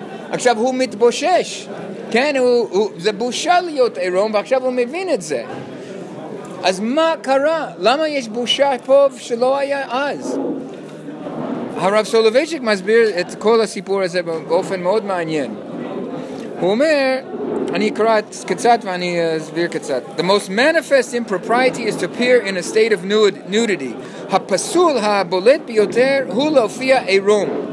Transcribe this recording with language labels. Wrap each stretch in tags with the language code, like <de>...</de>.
<he>עכשיו הוא מתבושש, כן, זה בושה להיות אירום, ועכשיו הוא מבין את זה. אז מה קרה? למה יש בושה פה שלא היה אז? הרב סולובייצ'יק מסביר את כל הסיפור הזה באופן מאוד מעניין. הוא אומר, אני אקרא קצת ואני אסביר קצת.</he> <en>The most manifest impropriety is to appear in a state of nudity.</en> <he>הפסול הבולט ביותר הוא להופיע עירום.</he>